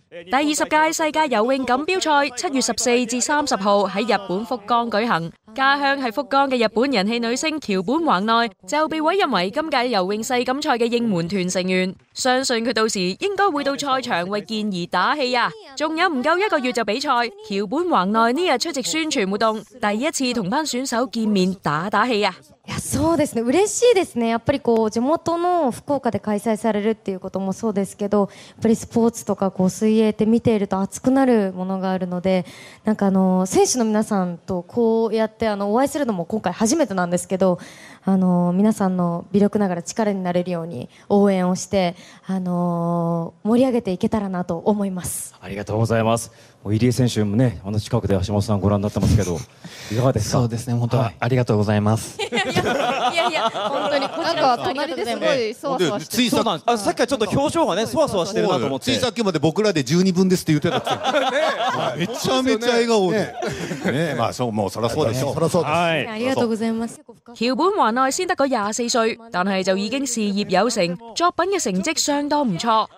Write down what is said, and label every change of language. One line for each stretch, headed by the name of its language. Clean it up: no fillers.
Cantonese: 第二十届世界游泳锦标赛7月14日至30日在日本福冈举行，家乡是福冈的日本人气女星桥本环奈就被委任为今届游泳世锦赛的应援团成员，相信她到时应该会到赛场为健儿打气啊！仲有不够一个月就比赛，桥本环奈呢日出席宣传活动，第一次同班选手见面打气啊！
Japanese: いやそうですね、嬉しいですね。やっぱりこう地元の福岡で開催されるっていうこともそうですけど、やっぱりスポーツとかこう水泳って見ていると熱くなるものがあるので、なんか選手の皆さんとこうやってお会いするのも今回初めてなんですけど、皆さんの微力ながら力になれるように応援をして盛り上げていけたらなと思います。ありがとうございます。入江選手もね、あの近くで橋本さんご覧になってますけど、いかがですか？そうですね、本当、はい、ありがとうございます。いやいや、本当に。なんか隣ですごいそわそわしてる。さっきはちょっと表情がね、そわそわしてるなと思って。ついさっきまで僕らで12分ですって言ってたんですよ。めちゃめちゃ笑顔で。ねえ、まあそう、もうそりゃそうでしょう。そりゃそうです。ありがとうございます。
Cantonese: 桥本环奈先得个24岁，但系就已经事业有成，作品嘅成绩相当唔错。